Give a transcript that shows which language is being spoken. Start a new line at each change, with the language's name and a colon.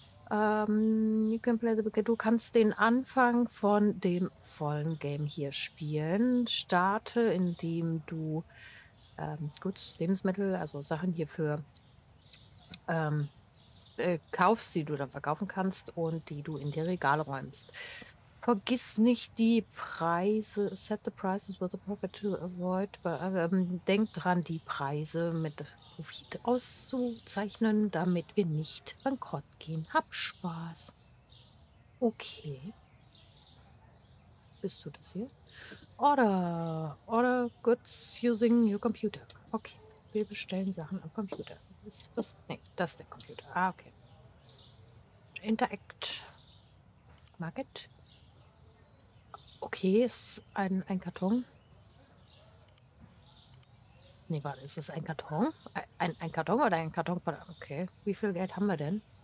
English: You can play the beginning.
German: Du kannst den Anfang von dem vollen Game hier spielen. Starte, indem du Lebensmittel, also Sachen hierfür kaufst, die du dann verkaufen kannst und die du in die Regale räumst. Vergiss nicht die Preise.
English: Set the prices with a profit to avoid.
German: Denk dran, die Preise mit Profit auszuzeichnen, damit wir nicht bankrott gehen. Hab Spaß. Okay. Bist du das hier?
English: Order goods using your computer. Okay.
German: Wir bestellen Sachen am Computer. Ist das? Nee, das ist der Computer.
English: Ah, okay. Interact. Market.
German: Okay, ist ein Karton. Nee, warte, ist es ein Karton? Ein Karton oder ein Karton? Okay, wie viel Geld haben wir denn?